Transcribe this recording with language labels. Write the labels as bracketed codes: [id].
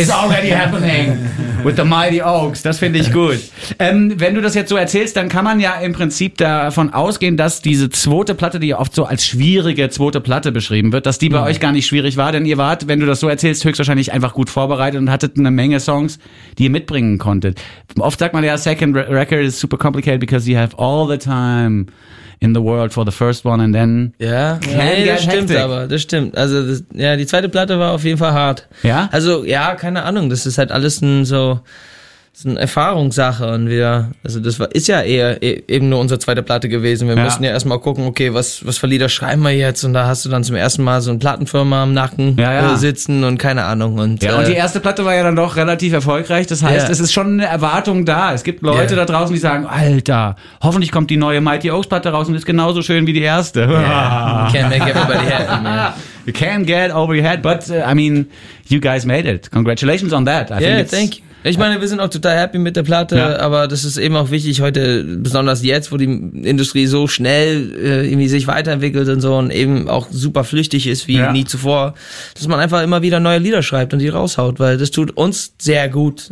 [en] Is already happening with the Mighty Oaks. [de] Das finde ich gut. Wenn du das jetzt so erzählst, dann kann man ja im Prinzip davon ausgehen, dass diese zweite Platte, die ja oft so als schwierige zweite Platte beschrieben wird, dass die bei euch gar nicht schwierig war. Denn ihr wart, wenn du das so erzählst, höchstwahrscheinlich einfach gut vorbereitet und hattet eine Menge Songs, die ihr mitbringen konntet. Oft sagt man ja, [en] second record is super complicated because you have all the time in the world for the first one and then... [de] Ja, nee, das stimmt aber, das stimmt. Also, die zweite Platte war auf jeden Fall hart. Ja? Also, ja, keine Ahnung, das ist halt alles eine Erfahrungssache und das ist ja eben nur unsere zweite Platte gewesen. Wir müssen ja erstmal gucken, okay, was für Lieder schreiben wir jetzt, und da hast du dann zum ersten Mal so eine Plattenfirma am Nacken sitzen und keine Ahnung. Und die erste Platte war ja dann doch relativ erfolgreich, das heißt, es ist schon eine Erwartung da. Es gibt Leute da draußen, die sagen, Alter, hoffentlich kommt die neue Mighty Oaks Platte raus und ist genauso schön wie die erste. [en] Yeah. Can't make everybody happy, man. You can't get over your head, but I mean, you guys made it. Congratulations on that. Thank you. [de] Ich meine, wir sind auch total happy mit der Platte, aber das ist eben auch wichtig heute, besonders jetzt, wo die Industrie so schnell irgendwie sich weiterentwickelt und so und eben auch super flüchtig ist wie nie zuvor, dass man einfach immer wieder neue Lieder schreibt und die raushaut, weil das tut uns sehr gut.